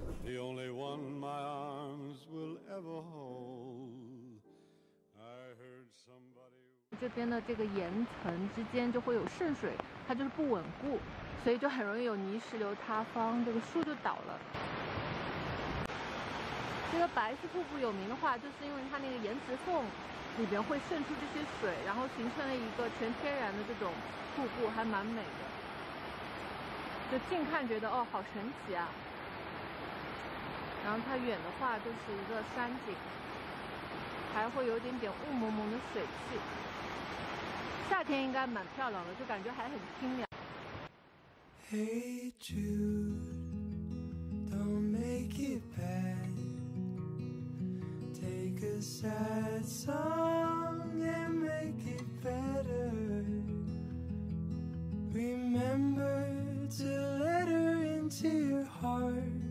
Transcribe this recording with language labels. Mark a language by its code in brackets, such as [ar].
[en] The only one my arms will ever hold. I heard somebody. [zh] 这边的这个岩层之间就会有渗水，它就是不稳固，所以就很容易有泥石流塌方，这个树就倒了。这个白石瀑布有名的话，就是因为它那个岩石缝里边会渗出这些水，然后形成了一个全天然的这种瀑布，还蛮美的。就近看觉得哦，好神奇啊。然后它远的话就是一个山景，还会有点点雾蒙蒙的水汽。夏天应该蛮漂亮的，就感觉还很清凉。 [en] Hey Jude，don't make it bad，take a sad song and make it better，remember to let her into your heart。